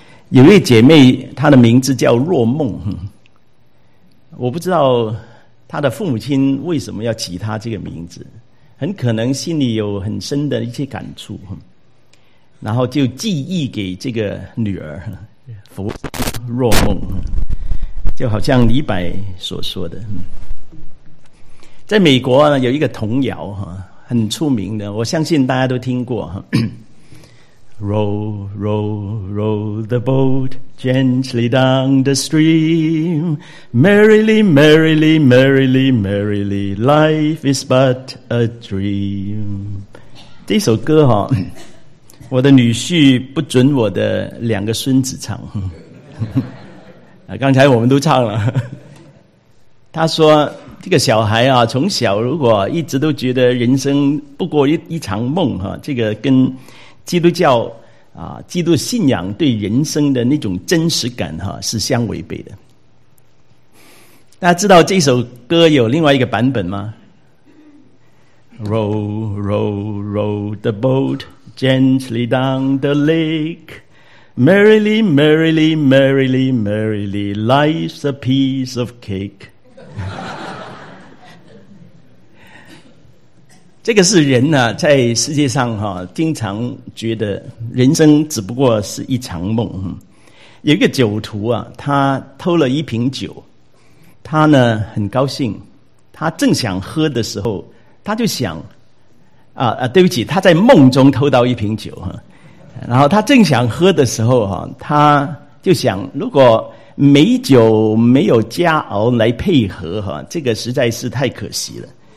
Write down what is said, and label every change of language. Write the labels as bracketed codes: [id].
[zh] 有位姐妹，她的名字叫若梦，我不知道她的父母亲为什么要起她这个名字，很可能心里有很深的一些感触，然后就寄忆给这个女儿浮生若梦，就好像李白所说的。在美国有一个童谣很出名的，我相信大家都听过。 [en] Row, row, row the boat gently down the stream. Merrily, merrily, merrily, merrily, life is but a dream. [zh] 这首歌哈，我的女婿不准我的两个孙子唱。刚才我们都唱了。他说，这个小孩啊，从小如果一直都觉得人生不过一场梦哈，这个跟基督教啊，基督信仰对人生的那种真实感哈，是相违背的。大家知道这首歌有另外一个版本吗？ [en] Row, row, row the boat gently down the lake. Merrily, merrily, merrily, merrily, life's a piece of cake. [zh] 这个是人呢、在世界上哈、经常觉得人生只不过是一场梦。有一个酒徒啊，他偷了一瓶酒，他呢很高兴，他正想喝的时候，他就想，对不起，他在梦中偷到一瓶酒哈，然后他正想喝的时候哈、他就想，如果美酒没有佳肴来配合哈、这个实在是太可惜了。